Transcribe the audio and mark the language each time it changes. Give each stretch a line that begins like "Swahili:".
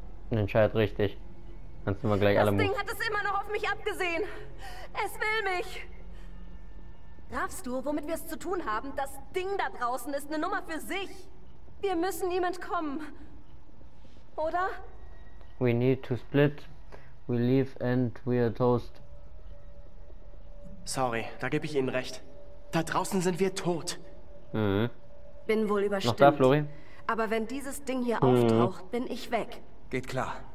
German: Entscheid richtig. Kannst du mal gleich das alle Das Ding hat es immer noch auf mich abgesehen. Es will mich. Raffst du, womit wir es zu tun haben? Das Ding da draußen ist eine Nummer für sich. Wir müssen ihm entkommen. Oder?
English: We need to split. We leave and we are toast.
German: Sorry, da gebe ich Ihnen recht. Da draußen sind wir tot. Bin wohl überstimmt. Noch da, Flori? Aber wenn dieses Ding hier auftaucht, bin ich weg. Geht klar.